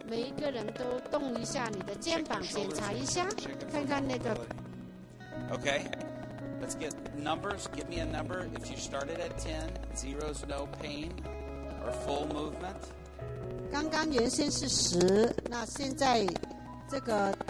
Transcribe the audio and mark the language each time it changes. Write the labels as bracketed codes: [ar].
[zh] 每一个人都动一下你的肩膀，检查一下，看看那个。 [en] Okay, let's get numbers. Give me a number. If you started at 10, zero's no pain or full movement. [zh] 刚刚原先是十，那现在这个。